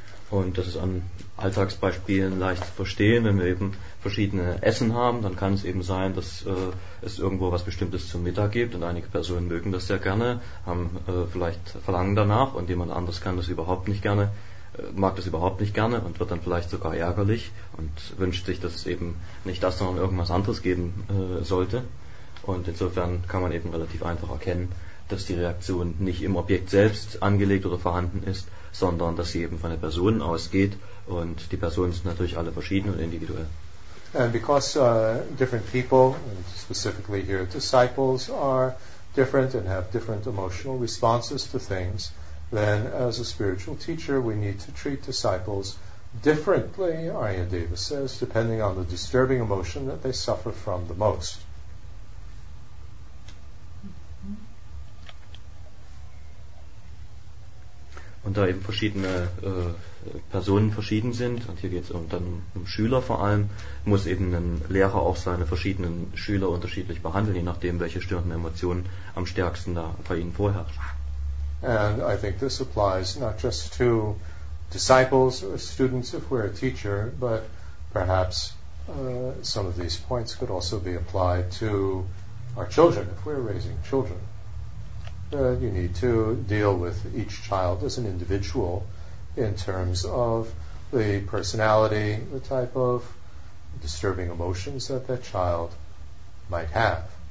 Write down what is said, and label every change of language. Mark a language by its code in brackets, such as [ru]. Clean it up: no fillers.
[de] Und das ist an Alltagsbeispielen leicht zu verstehen. Wenn wir eben verschiedene Essen haben, dann kann es eben sein, dass es irgendwo was Bestimmtes zum Mittag gibt, und einige Personen mögen das sehr gerne, haben vielleicht Verlangen danach, und jemand anderes kann das überhaupt nicht gerne, mag das überhaupt nicht gerne und wird dann vielleicht sogar ärgerlich und wünscht sich, dass es eben nicht das, sondern irgendwas anderes geben sollte. Und insofern kann man eben relativ einfach erkennen, dass die Reaktion nicht im Objekt selbst angelegt oder vorhanden ist, sondern dass sie eben von der Person ausgeht, und die Personen sind natürlich alle verschieden und individuell. [en] And because different people, and specifically here disciples, are different and have different emotional responses to things, then as a spiritual teacher we need to treat disciples differently, Ayurveda says, depending on the disturbing emotion that they suffer from the most. [de] Und da eben verschiedene Personen verschieden sind, und hier geht es dann um Schüler vor allem, muss eben ein Lehrer auch seine verschiedenen Schüler unterschiedlich behandeln, je nachdem, welche störenden Emotionen am stärksten da bei ihnen vorherrschen. [en] And I think this applies not just to disciples or students if we're a teacher, but perhaps some of these points could also be applied to our children if we're raising children. You need to deal with each child as an individual in terms of the personality, the type of disturbing emotions that that child might have.